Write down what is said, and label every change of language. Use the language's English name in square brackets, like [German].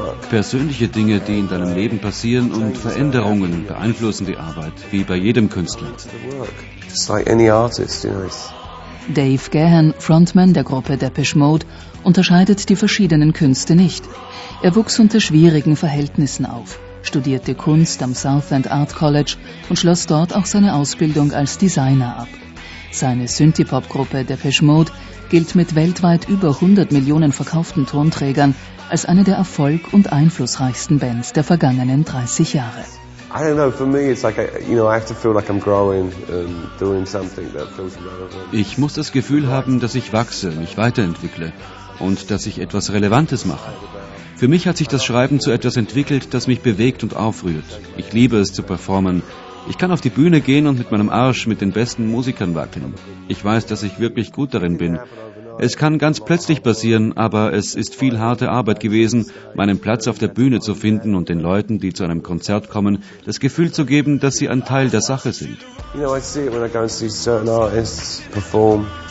[German] Persönliche Dinge, die in deinem Leben passieren und Veränderungen beeinflussen die Arbeit, wie bei jedem Künstler. [English] Just like any artist, you know. [German] Dave Gahan, Frontman der Gruppe Depeche Mode, unterscheidet die verschiedenen Künste nicht. Er wuchs unter schwierigen Verhältnissen auf, studierte Kunst am Southend Art College und schloss dort auch seine Ausbildung als Designer ab. Seine Synthie-Pop-Gruppe Depeche Mode gilt mit weltweit über 100 Millionen verkauften Tonträgern als eine der erfolg- und einflussreichsten Bands der vergangenen 30 Jahre. [English] I don't know, for me it's like, you know, I have to feel like I'm growing and doing something that feels relevant. [German] Ich muss das Gefühl haben, dass ich wachse, mich weiterentwickle und dass ich etwas Relevantes mache. Für mich hat sich das Schreiben zu etwas entwickelt, das mich bewegt und aufrührt. Ich liebe es zu performen. Ich kann auf die Bühne gehen und mit meinem Arsch mit den besten Musikern wackeln. Ich weiß, dass ich wirklich gut darin bin. Es kann ganz plötzlich passieren, aber es ist viel harte Arbeit gewesen, meinen Platz auf der Bühne zu finden und den Leuten, die zu einem Konzert kommen, das Gefühl zu geben, dass sie ein Teil der Sache sind. [English] You know, I see it when I go and see certain artists perform.